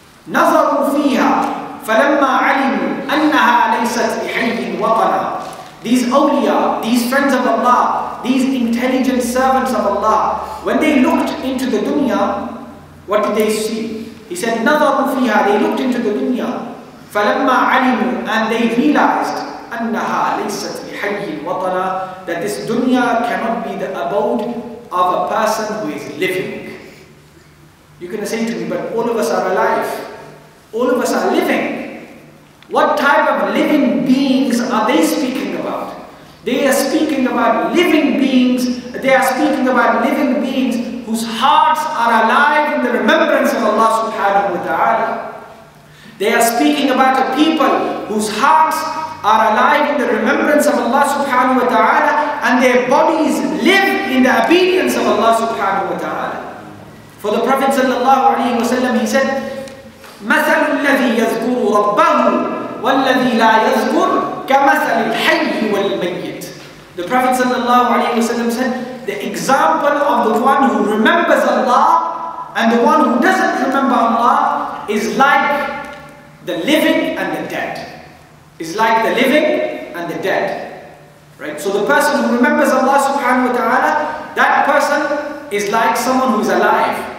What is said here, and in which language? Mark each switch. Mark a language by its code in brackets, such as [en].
[ar] نَظَرُوا فِيهَا فَلَمَّا عَلِمُوا أَنَّهَا لَيْسَتْ لِحَيِّ وَطَنَا. [en] These awliya, these friends of Allah, these intelligent servants of Allah, when they looked into the dunya, what did they see? He said, [ar] نَظَرُوا فِيهَا. [en] They looked into the dunya. [ar] فَلَمَّا عَلِمُوا. [en] And they realized, [ar] أَنَّهَا لَيْسَتْ لِحَيِّ وَطَنَا. [en] That this dunya cannot be the abode of a person who is living. You're going to say to me, but all of us are alive. All of us are living. What type of living beings are they speaking about? They are speaking about living beings. They are speaking about living beings whose hearts are alive in the remembrance of Allah subhanahu wa ta'ala. They are speaking about a people whose hearts are alive in the remembrance of Allah subhanahu wa ta'ala and their bodies live in the obedience of Allah subhanahu wa ta'ala. For the Prophet sallallahu alayhi wa sallam, he said, [ar] مَثَلُ الَّذِي يَذْكُرُ رَبَّهُ وَالَّذِي لَا يَذْكُرُ كَمَثَلِ الْحَيِّ وَالْمَيِّتِ. [en] The Prophet sallallahu alayhi wa sallam said, the example of the one who remembers Allah and the one who doesn't remember Allah is like the living and the dead. Is like the living and the dead. Right? So the person who remembers Allah subhanahu wa ta'ala, that person is like someone who's alive.